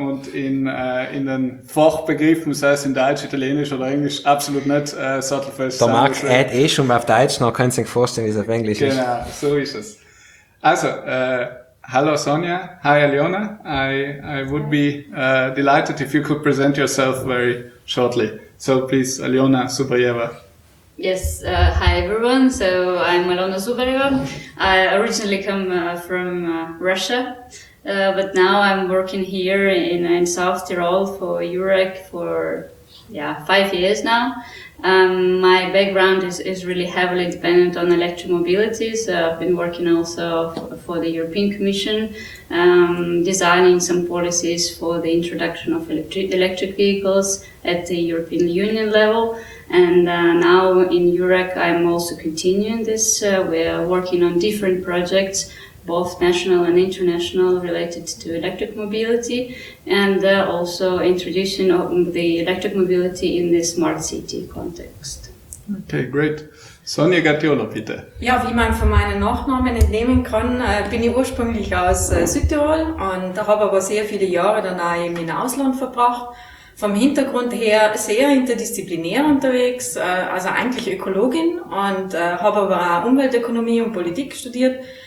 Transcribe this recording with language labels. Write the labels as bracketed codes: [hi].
[de] und in den Fachbegriffen, sei es in Deutsch, Italienisch oder Englisch, absolut nicht sattelfest. Der Marc hat eh schon mal auf Deutsch, noch könnt ihr euch vorstellen, wie es auf Englisch genau, ist. Genau, so ist es. Also, hallo Sonja, [en] hi Aliona, I would be delighted if you could present yourself very shortly. So please, Aliona Zubarieva. Yes, hi everyone. So I'm Aliona Zubarieva. I originally come from Russia, but now I'm working here in South Tyrol for EURAG for 5 years now. My background is really heavily dependent on electromobility, so I've been working also for the European Commission, designing some policies for the introduction of electric vehicles at the European Union level. And now in EURAG, I'm also continuing this. We are working on different projects, both national and international, related to electric mobility, and also introducing the electric mobility in the smart city context. Okay, great. Sonja Gattiolo, bitte. [de] Ja, wie man von meinen Nachnamen entnehmen kann, bin ich ursprünglich aus Südtirol und habe aber sehr viele Jahre dann auch eben im Ausland verbracht. Vom Hintergrund her sehr interdisziplinär unterwegs, also eigentlich Ökologin, und habe aber auch Umweltökonomie und Politik studiert.